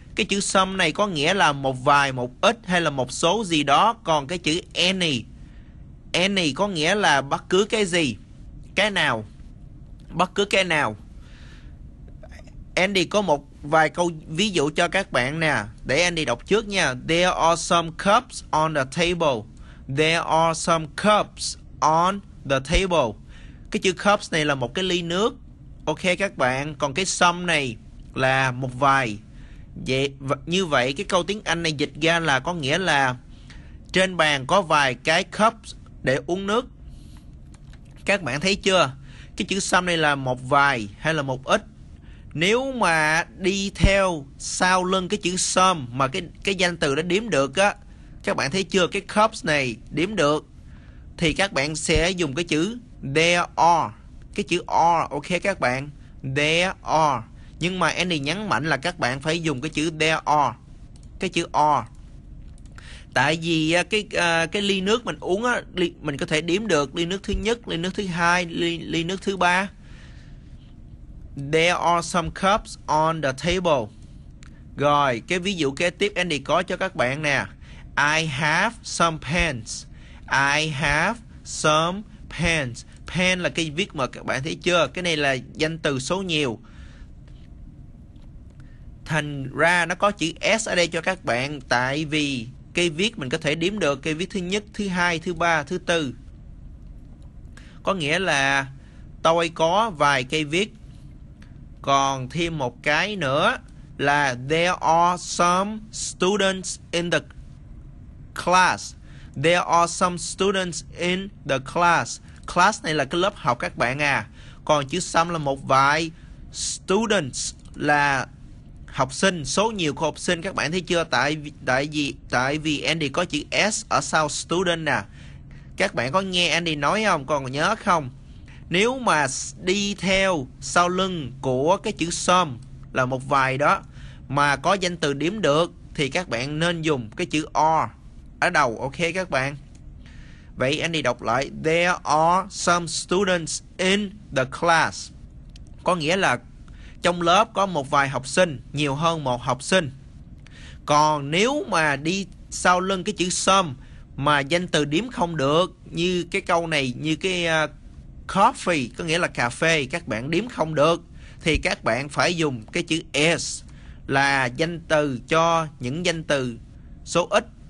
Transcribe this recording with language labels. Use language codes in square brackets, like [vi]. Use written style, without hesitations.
[vi] Cái chữ some này có nghĩa là một vài, một ít hay là một số gì đó. Còn cái chữ any, any có nghĩa là bất cứ cái gì, cái nào, bất cứ cái nào. Andy có một vài câu ví dụ cho các bạn nè. Để Andy đọc trước nha. [en] There are some cups on the table. There are some cups on the table. [vi] Cái chữ cups này là một cái ly nước. Ok các bạn. Còn cái some này là một vài. Vậy, như vậy cái câu tiếng Anh này dịch ra là có nghĩa là trên bàn có vài cái cups để uống nước. Các bạn thấy chưa? Cái chữ some này là một vài hay là một ít. Nếu mà đi theo sau lưng cái chữ some mà cái danh từ đó điếm được á, các bạn thấy chưa, cái cups này điếm được, thì các bạn sẽ dùng cái chữ there are. Cái chữ are, ok các bạn, there are. Nhưng mà Andy nhấn mạnh là các bạn phải dùng cái chữ there are, cái chữ are. Tại vì cái ly nước mình uống á, mình có thể điếm được ly nước thứ nhất, ly nước thứ hai, ly nước thứ ba. [en] There are some cups on the table. [vi] Rồi, cái ví dụ kế tiếp Andy có cho các bạn nè. [en] I have some pens. I have some pens. [vi] Pen là cái viết mực, các bạn thấy chưa? Cái này là danh từ số nhiều. Thành ra nó có chữ S ở đây cho các bạn. Tại vì cái viết mình có thể đếm được cái viết thứ nhất, thứ hai, thứ ba, thứ tư. Có nghĩa là tôi có vài cây viết. Còn thêm một cái nữa là [en] there are some students in the class. There are some students in the class. [vi] Class này là cái lớp học các bạn à. Còn chữ some là một vài. Students là học sinh, số nhiều của học sinh, các bạn thấy chưa? Tại vì Andy có chữ S ở sau student nè. Các bạn có nghe Andy nói không? Còn nhớ không? Nếu mà đi theo sau lưng của cái chữ some là một vài đó mà có danh từ điểm được thì các bạn nên dùng cái chữ are ở đầu, ok các bạn. Vậy anh đi đọc lại. [en] There are some students in the class. [vi] Có nghĩa là trong lớp có một vài học sinh, nhiều hơn một học sinh. Còn nếu mà đi sau lưng cái chữ some mà danh từ điểm không được, như cái câu này, như cái coffee có nghĩa là cà phê, các bạn đếm không được, thì các bạn phải dùng cái chữ is là danh từ cho những danh từ số ít.